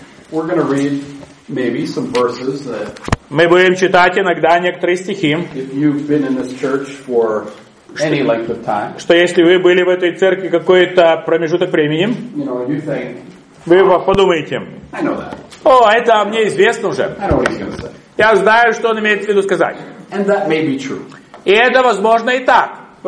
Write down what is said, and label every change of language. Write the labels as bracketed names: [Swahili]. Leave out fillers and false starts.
[English] We're going to read maybe some verses that. [Russian] Мы будем читать иногда некоторые стихи. [English] If you've been in this church for any length of time. [Russian] Что если вы были в этой церкви какой-то промежуток времени? [English] You think. [Russian] Вы подумаете. [English] I know that. [Russian] О, это мне известно уже. Я знаю, что он имеет в виду сказать. И это возможно и так.